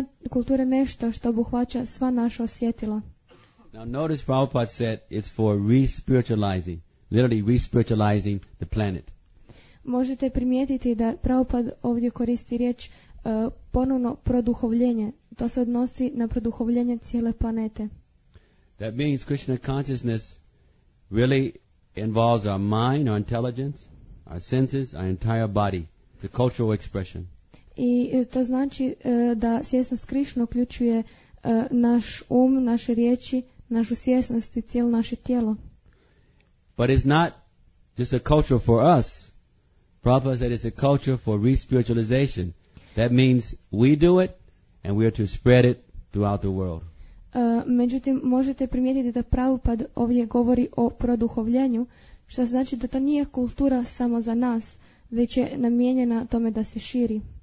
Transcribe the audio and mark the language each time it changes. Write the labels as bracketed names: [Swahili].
[Croatian] Kultura je nešto što obuhvaća sva naša osjetila. [English] Now notice Prabhupada said it's for re-spiritualizing, literally re-spiritualizing the planet. [Croatian] Možete primijetiti da Prabhupada ovdje koristi riječ ponovno produhovljenje. To se odnosi na produhovljenje cijele planete. [English] That means Krishna consciousness really involves our mind, our intelligence, our senses, our entire body. It's a cultural expression. [Croatian] I to znači da svjesnost Krišna uključuje naš um, naše riječi, našu svjesnost i cijelo naše tijelo. [English] But it's not just a culture for us. Prabhupada said it's a culture for re-spiritualization. That means we do it and we are to spread it throughout the world. [Croatian] Međutim, možete primijetiti da Prabhupada ovdje govori o produhovljenju, što znači da to nije kultura samo za nas, već je namijenjena tome da se širi.